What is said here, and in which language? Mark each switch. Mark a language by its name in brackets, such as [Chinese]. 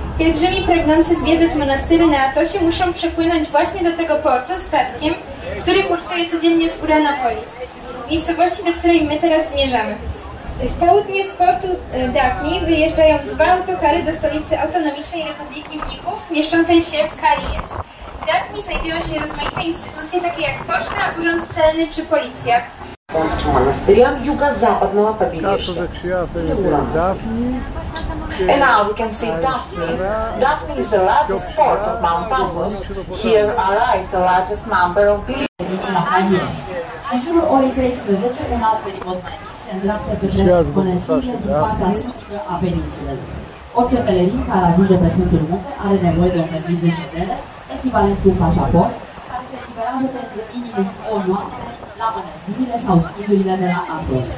[Polish] Pielgrzymi pragnący zwiedzać monastyry na Atosie muszą przepłynąć właśnie do tego portu statkiem, który kursuje codziennie z Uranopoli, miejscowości, do której my teraz zmierzamy. W południe z portu Daphni wyjeżdżają dwa autokary do stolicy Autonomicznej Republiki Mnichów, mieszczącej się w Karies. W Daphni znajdują się rozmaite instytucje, takie jak poczta, urząd celny czy policja. [Greek] Κάτω δεξιά φαίνεται η Daphni. [English] And now we can see Daphni. Daphni is the largest port of Mount Athos. Here arrives the largest number of pilgrims. [Romanian] În jurul orei 13, un alt felicot mai mic se îndreaptă pe drept mănăstirea din partea sudică a peninsulei. Orice pelerin care ajunge pe Sfântul Munte are nevoie de o permis de ședere, echivalent cu un pașaport, care se eliberează pentru minim o noapte la mănăstirile sau schimburile de la Athos.